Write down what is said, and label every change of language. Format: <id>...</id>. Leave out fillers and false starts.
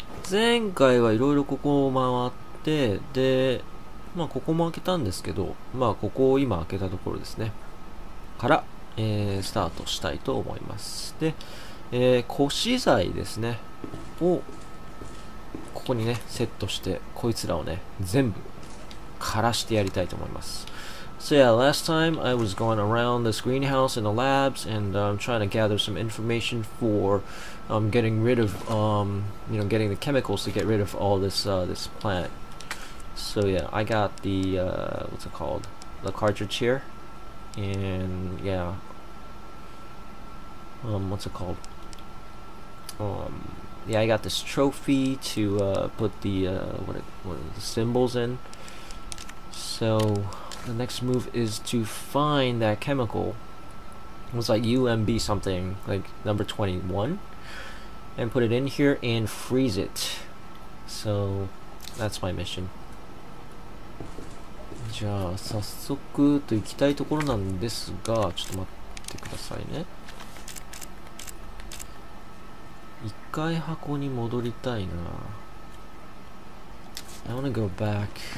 <ja>前回はいろいろここを回って、で、まあここも開けたんですけど、まあここを今開けたところですね。から、スタートしたいと思います。で、古資材ですね。を、ここにね、セットして、こいつらをね、全部、枯らしてやりたいと思います。</ja> <en>So yeah, last time I was going around this greenhouse in the labs and I'm trying to gather some information for getting rid of, you know, getting the chemicals to get rid of all this, this plant. So yeah, I got the, what's it called? The cartridge here. And yeah. What's it called? Yeah, I got this trophy to put the, the symbols in. So, the next move is to find that chemical. It was like UMB something, like number 21. And put it in here and freeze it. So, that's my mission.</en> <ja>じゃあ、早速と行きたいところなんですが、ちょっと待ってくださいね。一回箱に戻りたいな。</ja> <en>I wanna go back.</en>